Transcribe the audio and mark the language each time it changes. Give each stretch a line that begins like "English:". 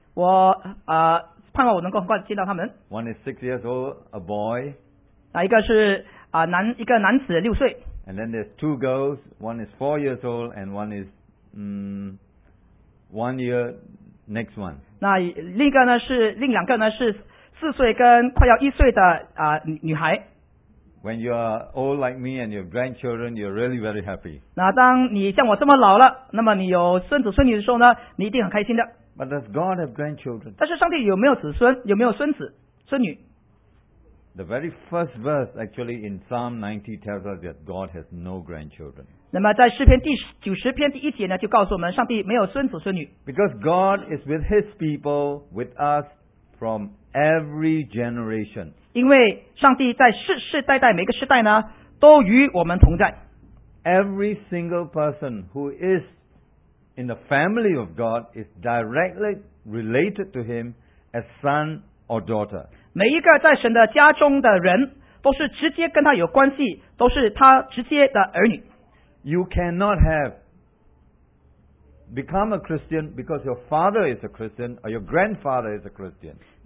Chinese: 我, 盼望我能够很快见到他们。
English: One is 6 years old, a boy.
Chinese: 啊, 一个是, 啊, 男, 一个男子, 6岁。
English: And then there's two girls. One is 4 years old and one is 1 year next one.
Chinese: 那, 另一个呢, 是, 另两个呢, 是, 四岁跟快要一岁的, 啊, 女孩。
English: When you are old like me and you have grandchildren, you're really very happy.
Chinese: 那当你像我这么老了, 那么你有孙子孙女的时候呢, 你一定很开心的。
English: But does God have grandchildren?
Chinese: 但是上帝有没有子孙, 有没有孙子, 孙女?
English: The very first verse actually in Psalm 90 tells us that God has no grandchildren.
Chinese: 那么在诗篇第90篇第一节呢, 就告诉我们, 上帝没有孙子孙女。
English: Because God is with his people, with us from every generation.
Chinese: 因为上帝在世世代代每个世代呢, 都与我们同在。
English: Every single person who is in the family of God is directly related to him as son or daughter.
Chinese: 每一个在神的家中的人, 都是直接跟他有关系, 都是他直接的儿女。
English: You cannot have become a Christian because your father is a Christian or your grandfather is a Christian.